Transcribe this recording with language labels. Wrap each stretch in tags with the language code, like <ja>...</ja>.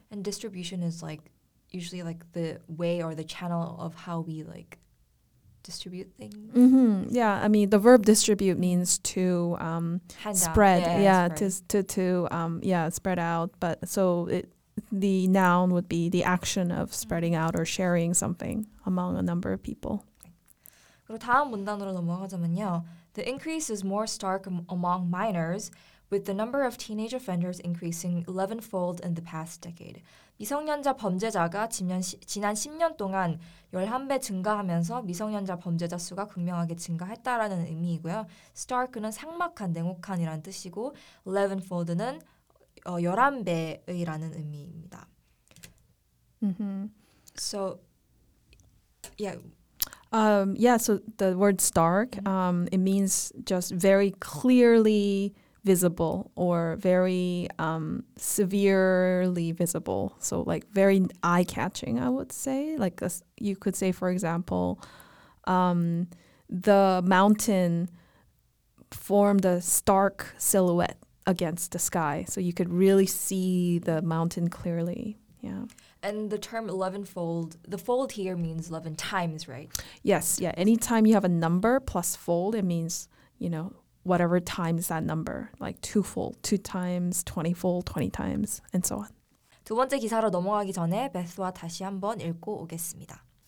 <en>And distribution is like usually like the way or the channel of how we like distribute things. Mm-hmm. Yeah, I mean the verb distribute means to spread. Spread out. But so the noun would be the action of spreading out or sharing something among a number of people.</en> <ko>그리고 다음 문단으로 넘어가자면요.</ko> <en>The increase is more stark among minors, with the number of teenage offenders increasing 11-fold in the past decade.</en> <ko>미성년자 범죄자가 지난 10년 동안 11배 증가하면서 미성년자 범죄자 수가 극명하게 증가했다라는 의미이고요. Stark는 삭막한, 냉혹한이라는 뜻이고, 11-fold는 11배의라는 의미입니다. Mm-hmm.</ko> <en>So, yeah. Yeah, so the word stark, mm-hmm. It means just very clearly visible or very severely visible. So like very eye-catching, I would say. Like you could say, for example, the mountain formed a stark silhouette against the sky. So you could really see the mountain clearly. Yeah. And the term 11-fold, the fold here means 11 times, right? Yes, yeah. Anytime you have a number plus fold, it means, you know, whatever times that number, like twofold, two times, 20-fold, 20 times, and so on.</en> <ko>두 번째 기사로 넘어가기 전에 베스와 다시 한번 읽고 오겠습니다.</ko>